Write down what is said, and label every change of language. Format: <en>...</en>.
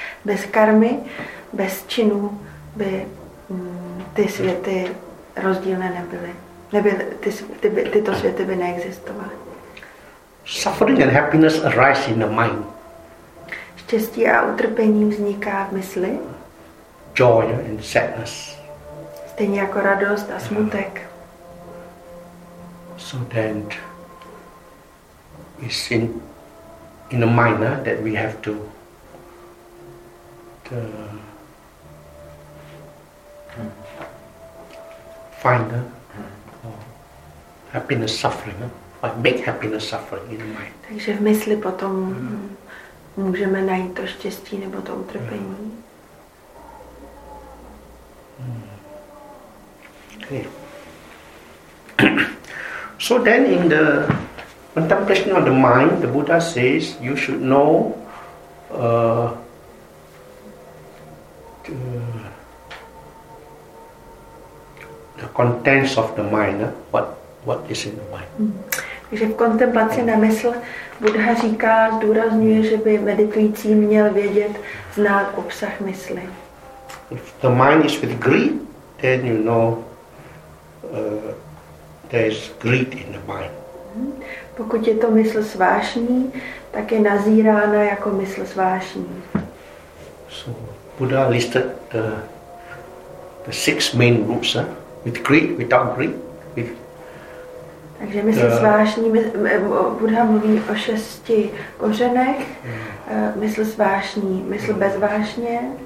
<cs>Bez karmy, bez činů by ty světy rozdílné nebyly. Tyto světy by neexistovaly.</cs> <en>Suffering and happiness arise in the mind.</en> <cs>Štěstí a utrpení vzniká v mysli.</cs> <en>Joy and sadness.</en> <cs>Stejně jako radost a smutek.</cs> <en>So then, it's in the mind that we have to find happiness, suffering, or make happiness, suffering in the mind.</en> <cs>Takže v mysli potom můžeme najít to štěstí nebo to utrpení.</cs> <en>Okay. So then in the contemplation of the mind, the Buddha says you should know the contents of the mind, what is in the mind.</en> <cs>Takže v kontemplaci na mysl Buddha říká, zdůrazňuje, že by meditující měl vědět, znát obsah mysli.</cs> <en>If the mind is with greed, then you know there is greed in the mind.</en> <cs>Pokud je to mysl svášní, tak je nazírána jako mysl svášní.</cs> <en>So Buddha listed the six main roots, with greed, without greed.</en> <cs>Takže mysl svášní, Buddha mluví o šesti kořenech, mysl svášní, mysl bezvášně.</cs>